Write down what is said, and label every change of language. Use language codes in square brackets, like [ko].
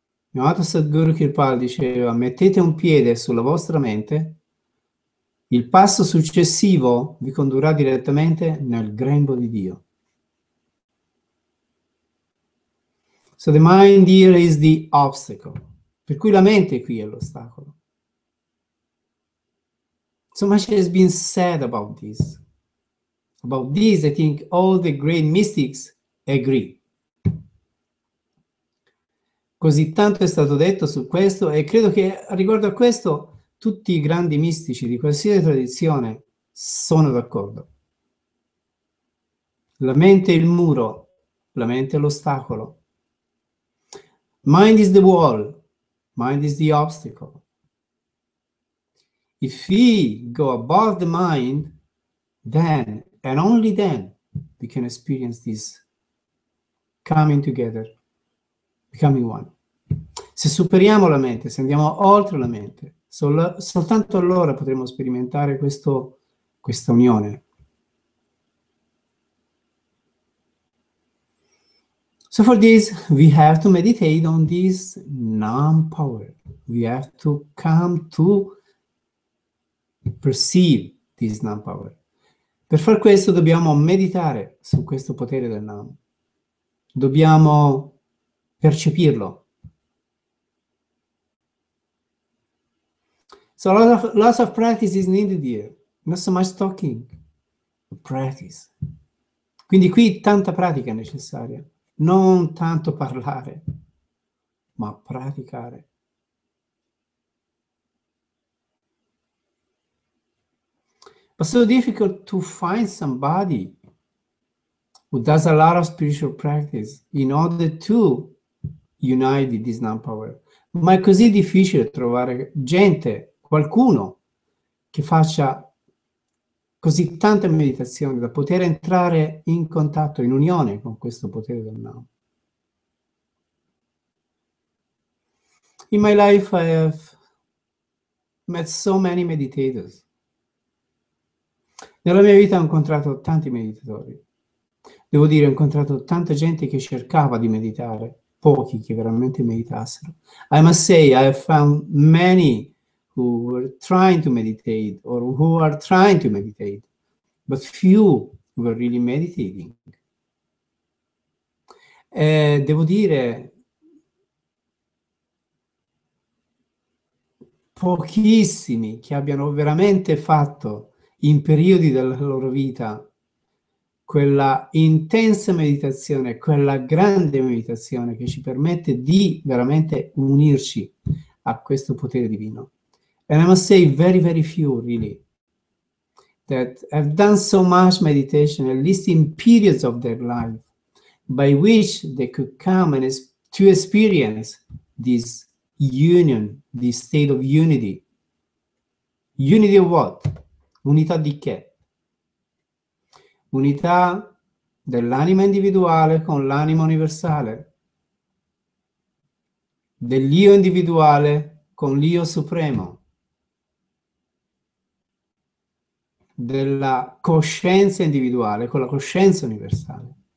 [it] Mio amato Sadhguru Kirpal diceva: mettete un piede sulla vostra mente, il passo successivo vi condurrà direttamente nel grembo di Dio. [en] So the mind here is the obstacle, [it] per cui la mente qui è l'ostacolo. [en] So much has been said about this. About this, I think all the great mystics agree. [it] Così tanto è stato detto su questo, e credo che riguardo a questo tutti i grandi mistici di qualsiasi tradizione sono d'accordo. La mente è il muro, la mente è l'ostacolo. [en] Mind is the wall, mind is the obstacle. If we go above the mind, then and only then we can experience this coming together, becoming one. [it] Se superiamo la mente, se andiamo oltre la mente, soltanto allora potremo sperimentare questa unione. [en] So for this, we have to meditate on this non-power. We have to come to perceive this non power. [it] Per far questo dobbiamo meditare su questo potere del non. Dobbiamo percepirlo. [en] So lots of practice is needed here, not so much talking, practice. [it] Quindi qui tanta pratica è necessaria, non tanto parlare, ma praticare. [en] But so difficult to find somebody who does a lot of spiritual practice in order to unite this non-power. [it] Ma è così difficile trovare gente, qualcuno, che faccia così tante meditazioni da poter entrare in contatto, in unione con questo potere del non. [en] In my life I have met so many meditators. [it] Nella mia vita ho incontrato tanti meditatori. Devo dire, ho incontrato tanta gente che cercava di meditare, pochi che veramente meditassero. [en] I must say, I have found many who were trying to meditate or who are trying to meditate, but few were really meditating. [it] Devo dire, pochissimi che abbiano veramente fatto in periodi della loro vita, quella intensa meditazione, quella grande meditazione che ci permette di veramente unirci a questo potere divino. [en] And I must say, very, very few, really, that have done so much meditation, at least in periods of their life, by which they could come and to experience this union, this state of unity. Unity of what? [it] Unità di che? Unità dell'anima individuale con l'anima universale, dell'io individuale con l'io supremo, della coscienza individuale con la coscienza universale.